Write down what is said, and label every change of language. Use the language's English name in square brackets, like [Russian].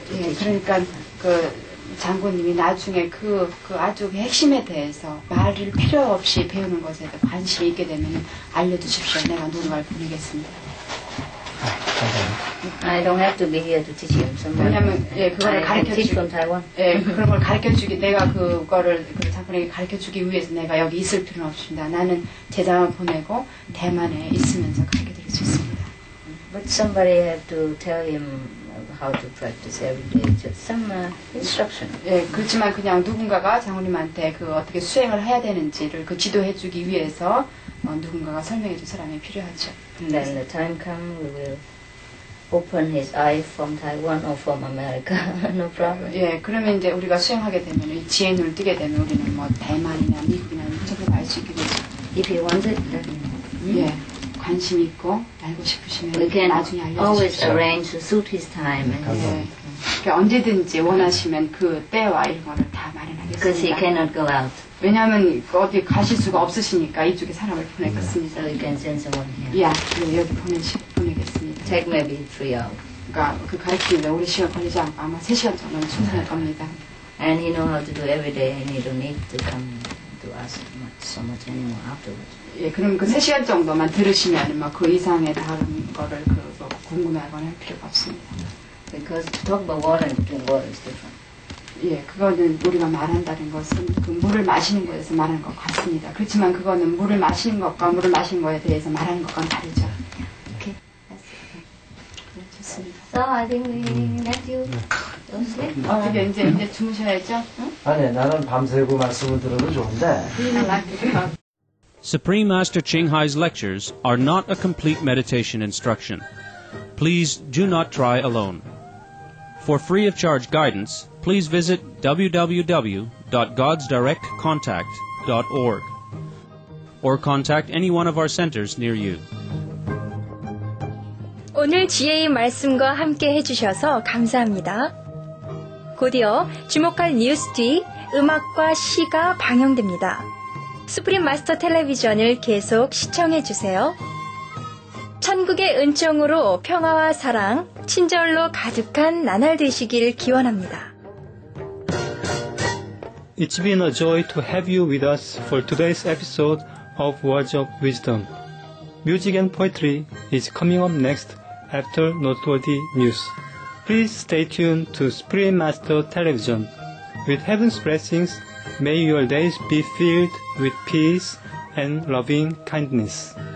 [Korean] 예, 그러니까 그 장군님이 나중에 그 아주 핵심에 대해서 말을 필요 없이 배우는 것에 관심이 있게 되면 알려주십시오. 내가 누군가를 보내겠습니다. [English] I don't have to be here to teach you. [Korean] 왜냐면 예, 그거를 가르쳐 주기 [English] from Taiwan. [Korean] 예, 그런 걸 가르쳐 주기 내가 그거를 그 장군에게 가르쳐 주기 위해서 내가 여기 있을 필요는 없습니다. 나는 제자만 보내고 대만에 있으면서 가르쳐 드릴 수 있습니다. [English] But somebody have to tell him. How to practice every day? Just some instruction. [Korean] 예, 그렇지만 그냥 누군가가 장모님한테 그 어떻게 수행을 해야 되는지를 그 지도해주기 위해서 누군가가 설명해줄 사람이 필요하죠. [English] And then the time come, we will open his eyes from Taiwan or from America. No problem. [Korean] 예, 그러면 이제 우리가 수행하게 되면 이 지혜 눈을 뜨게 되면 우리는 뭐 대만이나 미국이나 이쪽으로 갈 수 있게 되죠. [English] If he wants it, then. [Korean] 예. 관심 있고 알고 싶으시면 나중에 알려주시죠. [English] Always arrange to suit his time. [Korean] 네. 그러니까 언제든지 원하시면 그 때와 이런 거를 다 마련하겠습니다. [English] Because he cannot go out. [Korean] 왜냐하면 어디 가실 수가 없으시니까 이쪽에 사람을 보내겠습니다. [English] So you can send someone here. [Korean] Yeah. 네, 여기 보내겠습니다. [English] Take maybe 3 hours. [Korean] 그러니까 그 가르치는데 오래 시간 걸리지 않고 아마 3시간 정도는 충분할 겁니다. [English] And he know how to do every day and he don't need to come to us so much anymore afterwards. [Korean] 예, 그럼 그 3시간 정도만 들으시면 막 그 이상의 다른 거를 그 뭐 궁금해하거나 할 필요가 없습니다. [English] Because to talk about water and drink water is different. [Korean] 예, 그거는 우리가 말한다는 것은 그 물을 마시는 것에서 말하는 것 같습니다. 그렇지만 그거는 물을 마시는 것과 물을 마시는 것에 대해서 말하는 것과는 다르죠. [English] Okay. That's okay. [Korean] 좋습니다. [English] So I think we let you. [Korean] 어떻게 이제 주무셔야죠? 응? 아니, 나는 밤새고 말씀을 들어도 좋은데. [English] Supreme Master Qinghai's lectures are not a complete meditation instruction. Please do not try alone. For free of charge guidance, please visit www.godsdirectcontact.org or contact any one of our centers near you. [Korean] 오늘 지혜의 말씀과 함께 해주셔서 감사합니다. 곧이어 주목할 뉴스 뒤 음악과 시가 방영됩니다. 스프림 마스터 텔레비전을 계속 시청해주세요. 천국의 은총으로 평화와 사랑, 친절로 가득한 나날 되시길 기원합니다. [English] It's been a joy to have you with us for today's episode of Words of Wisdom. Music and poetry is coming up next after noteworthy news. Please stay tuned to Supreme Master Television. With heaven's blessings, may your days be filled with peace and loving kindness.